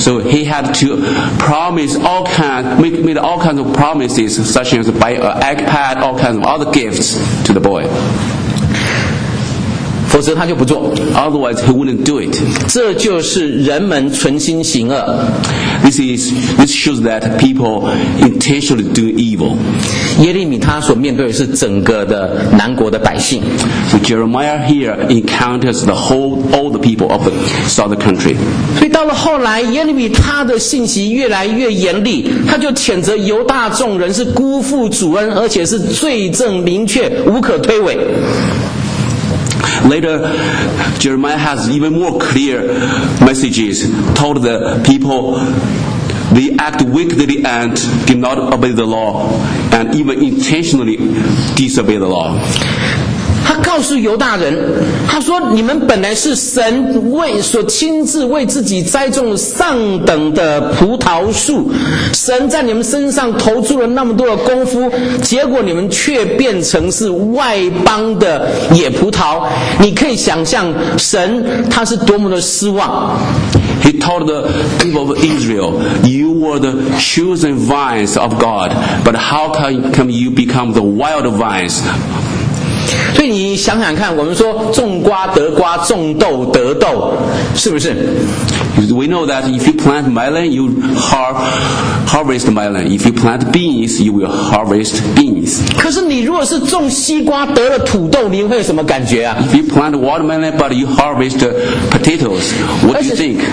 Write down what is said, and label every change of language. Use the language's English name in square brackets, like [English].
[English] So he had to promise all kinds, made all kinds of promises, such as buy an iPad, all kinds of other gifts to the boy. [Chinese] 否则他就不做。 [English] Otherwise, he wouldn't do it. [Chinese] 这就是人们存心行恶。 [English] This shows that people intentionally do evil. [Chinese] 耶利米他所面对的是整个的南国的百姓。 [English] So Jeremiah here encounters the whole all the people of the southern country. [Chinese] 所以到了后来，耶利米他的信息越来越严厉，他就谴责犹大众人是辜负主恩，而且是罪证明确，无可推诿。 [English] Later, Jeremiah has even more clear messages, told the people they act wickedly and did not obey the law, and even intentionally disobey the law. [Chinese] 他告诉犹大人，他说你们本来是神为所亲自为自己栽种上等的葡萄树，神在你们身上投注了那么多的功夫，结果你们却变成是外邦的野葡萄，你可以想象神他是多么的失望。 [English] He told the people of Israel, you were the chosen vines of God, but how come you become the wild vines? [Chinese] 所以你想想看，我们说种瓜得瓜，种豆得豆，是不是？ [English] We know that if you plant melon, you harvest melon. If you plant beans, you will harvest beans. [Chinese] 可是你如果是种西瓜得了土豆，你会有什么感觉啊？ [English] If you plant watermelon, but you harvest potatoes, what do you think?